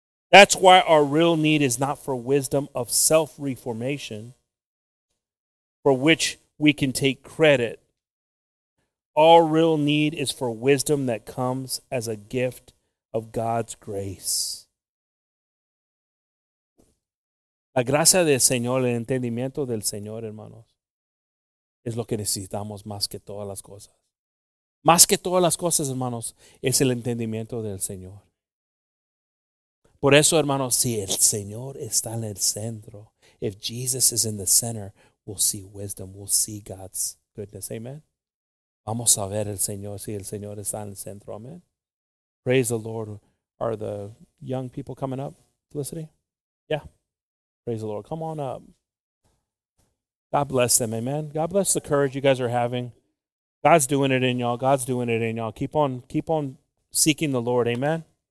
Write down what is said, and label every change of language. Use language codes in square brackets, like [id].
[en] That's why our real need is not for wisdom of self-reformation, for which we can take credit. Our real need is for wisdom that comes as a gift of God's grace. [es] La gracia del Señor, el entendimiento del Señor, hermanos, es lo que necesitamos más que todas las cosas. Más que todas las cosas, hermanos, es el entendimiento del Señor. Por eso, hermanos, si el Señor está en el centro, [en] if Jesus is in the center, we'll see wisdom, we'll see God's goodness. Amen. [es] Vamos a ver el Señor, si el Señor está en el centro. [en] Amen. Praise the Lord. Are the young people coming up, Felicity? Yeah. Praise the Lord. Come on up. God bless them. Amen. God bless the courage you guys are having. God's doing it in y'all. God's doing it in y'all. Keep on seeking the Lord. Amen.